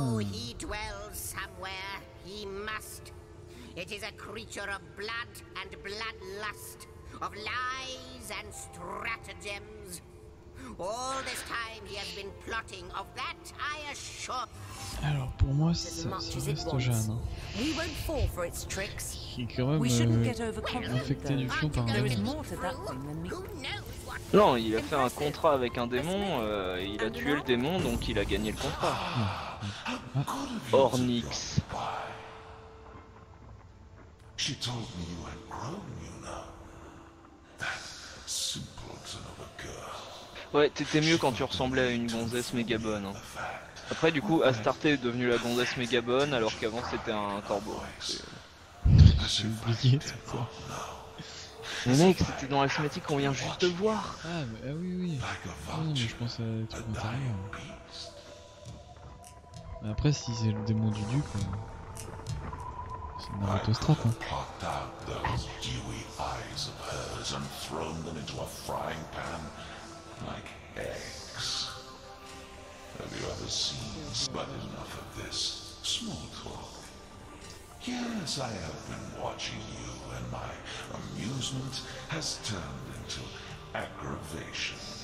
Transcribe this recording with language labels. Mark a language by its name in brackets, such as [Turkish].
[English] He dwells somewhere. He must. It is a creature of blood and bloodlust, of lies and stratagems. All this time he has been plotting, of that I assure. [French] Alors pour moi ça reste Jeanne. Hein. [English] We won't fall for its tricks. [French] Quand même, [English] we shouldn't get overconfident. Du fond par there is more to that thing than me. [French] Non, il a fait un contrat avec un démon, il a tué le démon, donc il a gagné le contrat. Ornix. [English] She told me you had grown, you know. That simpleton of a girl. [French] Ouais, t'étais mieux quand tu ressemblais à une gonzesse méga bonne. Hein. Après, du coup, Astarte est devenue la gonzesse méga bonne, alors qu'avant c'était un corbeau. J'ai oublié tout ça. Mais mec, c'était dans la cinématique qu'on vient juste de voir. Ah oui. Ah non, mais je pense à tout l'intérieur. Après, si c'est le démon du duc... c'est une autostrade, hein. [English] ...plucked out those dewy eyes of hers and thrown them into a frying pan like eggs. Have you ever seen... But enough of this. Small talk. Yes, I have been watching you, and my amusement has turned into aggravation.